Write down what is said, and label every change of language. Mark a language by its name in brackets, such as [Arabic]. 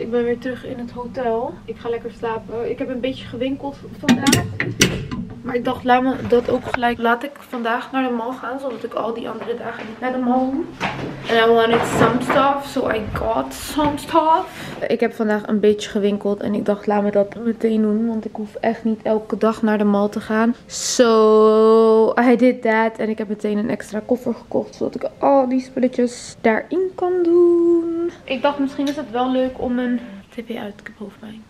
[Dutch] Ik ben weer terug in het hotel. Ik ga lekker slapen. Ik heb een beetje gewinkeld vandaag. Maar ik dacht, laat me dat ook gelijk. Laat ik vandaag naar de mall gaan, zodat ik al die andere dagen niet naar de mall moet. [English] And I wanted some stuff, so I got some stuff. [Dutch] Ik heb vandaag een beetje gewinkeld en ik dacht, laat me dat meteen doen. Want ik hoef echt niet elke dag naar de mall te gaan. [English] So, I did that. [Dutch] En ik heb meteen een extra koffer gekocht, zodat ik al die spulletjes daarin kan doen. Ik dacht, misschien is het wel leuk om een... TV uit, ik heb hoofdpijn.